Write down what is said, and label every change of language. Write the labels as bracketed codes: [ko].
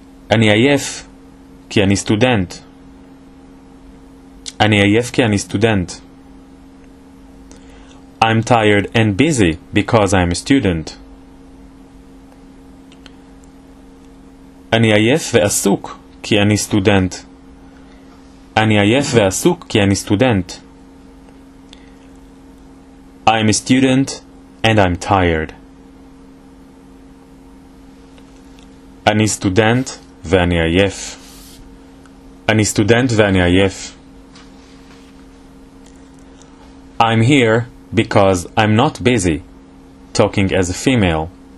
[he] אני עייף כי אני סטודנט. אני עייף כי אני סטודנט. [en] I'm tired and busy because I'm a student. [he] אני עייף ועסוק כי אני סטודנט. אני עייף ועסוק כי אני סטודנט. [en] I'm a student and I'm tired. [he] אני סטודנט ואני עייף. אני סטודנט ואני עייף. [en] I'm here because I'm not busy, talking as a female.